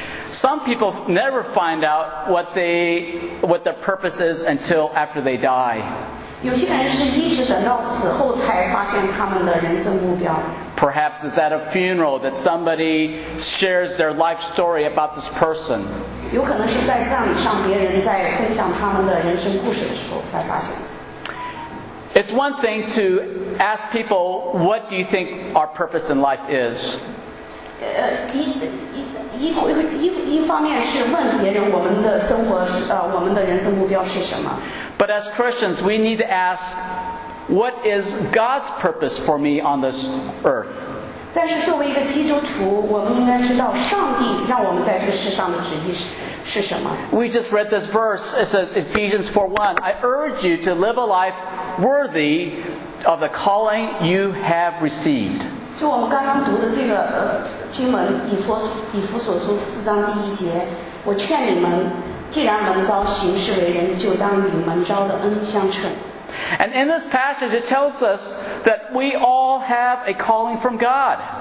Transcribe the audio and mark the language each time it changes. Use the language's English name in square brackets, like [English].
[English] Some people never find out what their purpose is until after they die. Perhaps it's at a funeral that somebody shares their life story about this person. [Chinese] 有可能是在葬礼上别人在分享他们的人生故事的时候才发现。 [English] It's one thing to ask people, what do you think our purpose in life is? [Chinese] 一方面是问别人我们的生活我们的人生目标是什么。 [English] But as Christians, we need to ask, what is God's purpose for me on this earth? [Chinese] 但是作为一个基督徒，我们应该知道上帝让我们在这个世上的旨意是。 [English] We just read this verse. It says Ephesians 4:1. I urge you to live a life worthy of the calling you have received. [Chinese] 就我们刚刚读的这个经文，以弗所书四章第一节，我劝你们，既然蒙召行事为人，就当与蒙召的恩相称。 [English] And in this passage, it tells us that we all have a calling from God.